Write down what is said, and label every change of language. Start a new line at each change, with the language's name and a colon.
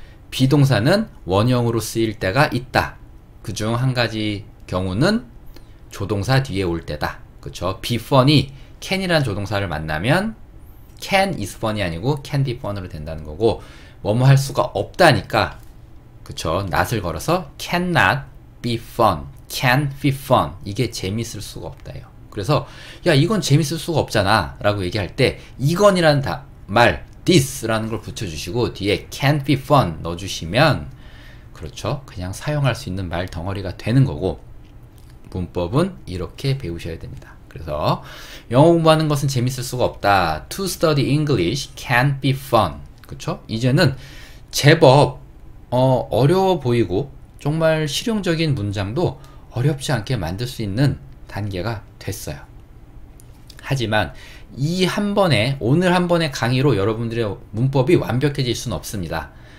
Korean: 비동사는 원형으로 쓰일 때가 있다. 그중 한 가지 경우는 조동사 뒤에 올 때다. 그쵸? be funny, can이라는 조동사를 만나면
English: can is funny
Korean: 아니고
English: can be fun
Korean: 으로 된다는 거고, 뭐뭐 할 수가 없다니까. 그쵸?
English: not을 걸어서 cannot be fun, can't be fun.
Korean: 이게 재밌을 수가 없다요. 그래서, 야, 이건 재밌을 수가 없잖아. 라고 얘기할 때, 이건이라는 말, this라는 걸 붙여주시고 뒤에
English: can be fun
Korean: 넣어주시면 그렇죠. 그냥 사용할 수 있는 말 덩어리가 되는 거고 문법은 이렇게 배우셔야 됩니다. 그래서 영어 공부하는 것은 재밌을 수가 없다.
English: To study English can be fun.
Korean: 그렇죠? 이제는 제법 어려워 보이고 정말 실용적인 문장도 어렵지 않게 만들 수 있는 단계가 됐어요. 하지만 이한 번에 오늘 한 번의 강의로 여러분들의 문법이 완벽해질 수는 없습니다.